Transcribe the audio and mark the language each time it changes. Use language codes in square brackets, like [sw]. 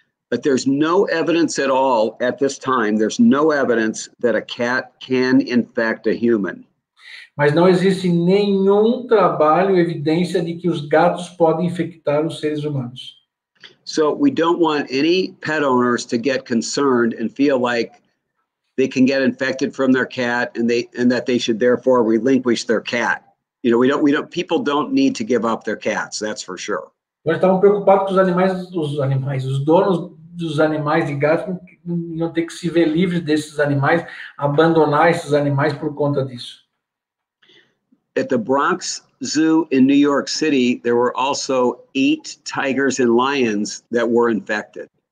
[en] But there's no evidence at all at this time, there's no evidence that a cat can infect a human. [pt] Mas não existe nenhum trabalho, evidência de que os gatos podem infectar os seres humanos. [en] So we don't want any pet owners to get concerned and feel like they can get infected from their cat and that they should therefore relinquish their cat. You know, people don't need to give up their cats, that's for sure. [pt] Nós estávamos preocupados que os donos dos animais de gato iam ter que se ver livres desses animais, abandonar esses animais por conta disso. [en] At the Bronx Zoo in New York City, there were also 8 tigers and lions that were infected.